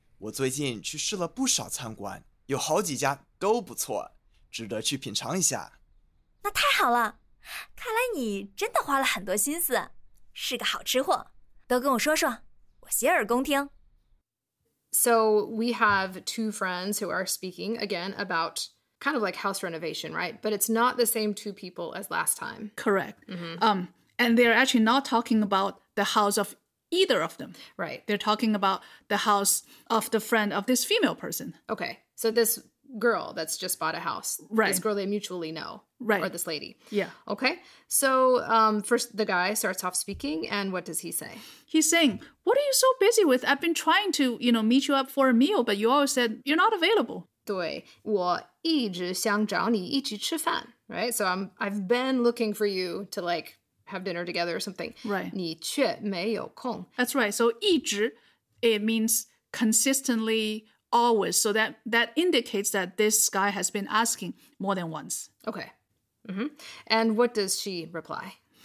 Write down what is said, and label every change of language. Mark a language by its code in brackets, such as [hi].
[zh] 我最近去试了不少餐馆，有好几家都不错，值得去品尝一下。那太好了，看来你真的花了很多心思，是个好吃货。都跟我说说，我洗耳恭听。 [en] So we have two friends who are speaking again about kind of like house renovation, right? But it's not the same two people as last time. Correct. Mm-hmm. And they're actually not talking about the house of either of them. Right. They're talking about the house of the friend of this female person. Okay. So this girl that's just bought a house. Right. This girl they mutually know. Right. Or this lady. Yeah. Okay. So first the guy starts off speaking and what does he say? He's saying, what are you so busy with? I've been trying to, you know, meet you up for a meal, but you always said you're not available. [zh] 对，我一直想找你一起吃饭. [en] Right. So I've been looking for you to like have dinner together or something. Right. [zh] 你却没有空. [en] That's right. So 一直, it means consistently, always. So that indicates that this guy has been asking more than once. Okay. Mm-hmm. And what does she reply?